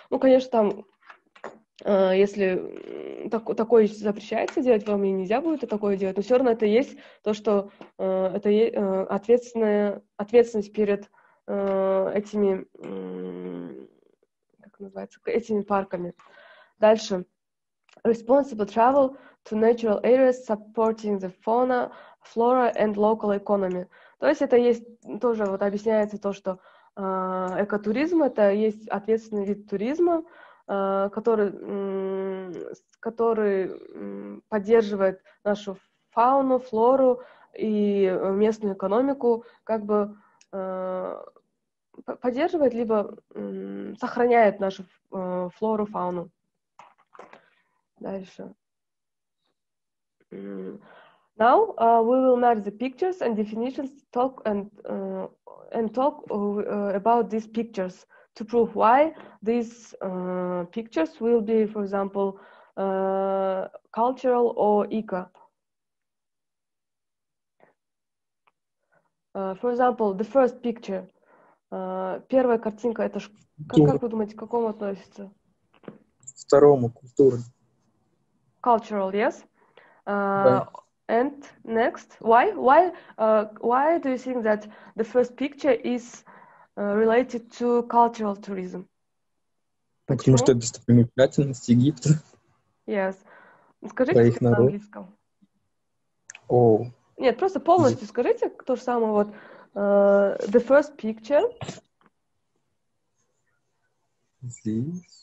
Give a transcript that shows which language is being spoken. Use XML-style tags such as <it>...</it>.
<ru>Ну, конечно, там если такое запрещается делать, вам и нельзя будет такое делать, но все равно это есть то, что это ответственность перед этими, как называется, этими парками. Дальше.</ru> <en>Responsible travel to natural areas supporting the fauna, flora and local economy.</en> <ru>То есть это есть, тоже вот объясняется то, что экотуризм — это есть ответственный вид туризма, который поддерживает нашу фауну, флору и местную экономику, как бы поддерживает, либо сохраняет нашу флору, фауну. Дальше.</ru> <en>Now we will merge the pictures and definitions to talk and talk about these pictures. To prove why these pictures will be, for example, cultural or eco. For example, the first picture.</en> <ru>Первая картинка, это ж... как вы думаете, к какому относится? Второму, культуре.</ru> <en>Cultural, yes?</en> <ru>Да.</ru> <en>And next, why? Why, why do you think that the first picture is related to cultural tourism.</en> <ru>Потому что это достопримечательность Египта.</ru> <en>Yes.</en> <ru>Скажите на английском. Oh. Нет, просто полностью скажите то же самое. Вот,</ru> <en>the first picture. This.</en>